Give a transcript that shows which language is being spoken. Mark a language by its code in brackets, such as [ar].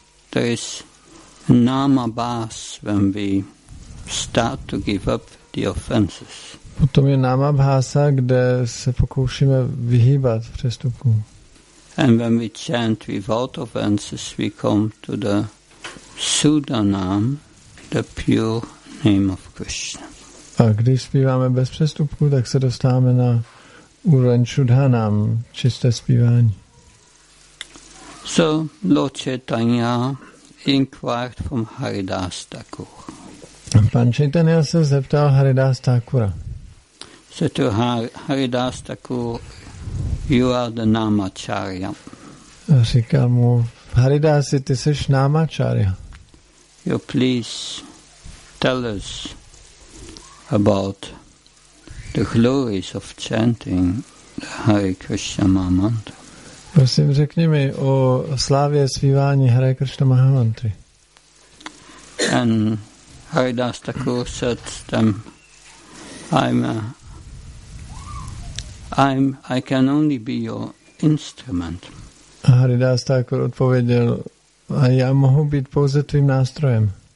[en] There is namabhas when we start to give up the offenses. [cs] Potom je namabhasa, kde se pokoušíme vyhýbat přestupku. [en] And when we chant without offenses, we come to the Sudanam, the pure name of Krishna. [cs] A když zpíváme bez přestupku, tak se dostáváme na úroveň Sudhanam, čisté zpívání. [en] So Lord Chaitanya inquired from Haridas Thakur. [cs] Pan Chaitanya se zeptal Haridas Thakura. [en] So to Haridas Thakur, you are the Namacharya. [cs] Říkal mu, Haridasi, ty seš Namacharya. [en] You please tell us about the glories of chanting the Hare Krishna Mahamantra. [cs] Prosím, řekni mi o slávě zpívání Hare Krishna Mahamantry. [en] And Haridas Thakur said to them, I can only be your instrument. [cs] A Haridas Thakur odpověděl, a já mohu být pouze tvým nástrojem.